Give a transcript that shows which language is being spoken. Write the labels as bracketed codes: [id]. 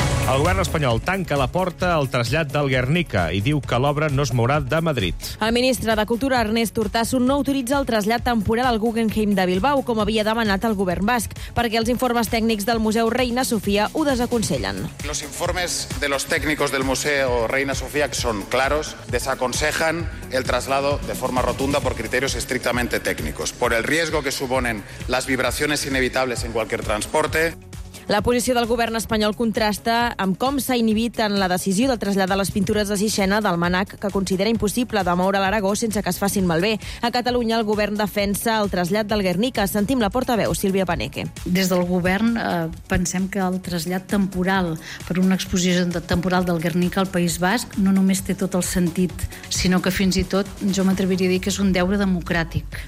[ca] El govern espanyol tanca la porta al trasllat del Guernica i diu que l'obra no es mourà de Madrid. El ministre de Cultura, Ernest Urtasun, no autoritza el trasllat temporal al Guggenheim de Bilbao, com havia demanat el govern basc, perquè els informes tècnics del Museu Reina Sofia ho desaconsellen. [es] Los informes de los técnicos del Museo Reina Sofía son claros, desaconsejan el traslado de forma rotunda por criterios estrictamente técnicos, por el riesgo que suponen las vibraciones inevitables en cualquier transporte. [ca] La posició del govern espanyol contrasta amb com s'ha inhibit en la decisió de traslladar les pintures de Sixena del MNAC, que considera impossible de moure l'Aragó sense que es facin malbé. A Catalunya, el govern defensa el trasllat del Guernica. Sentim la portaveu, Sílvia Paneque. Des del govern pensem que el trasllat temporal per una exposició temporal del Guernica al País Basc no només té tot el sentit, sinó que fins i tot, jo m'atreviria a dir que és un deure democràtic.